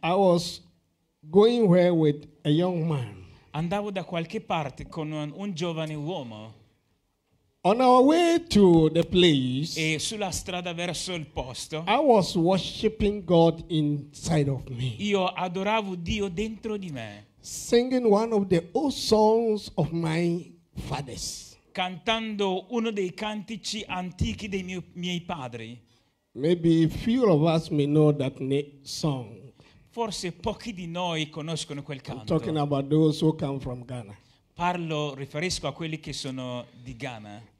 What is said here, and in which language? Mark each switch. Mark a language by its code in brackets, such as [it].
[en] I was going where with a young man. [it] Andavo da qualche parte con un giovane uomo. [en] On our way to the place, [it] e sulla strada verso il posto, [en] I was worshiping God inside of me. [it] Io adoravo Dio dentro di me. [en] Singing one of the old songs of my fathers. [it] Cantando uno dei cantici antichi dei miei padri. [en] Maybe few of us may know that song. [it] Forse pochi di noi conoscono quel canto. [en] I'm talking about those who come from Ghana. [it] Parlo, riferisco a quelli che sono di Ghana.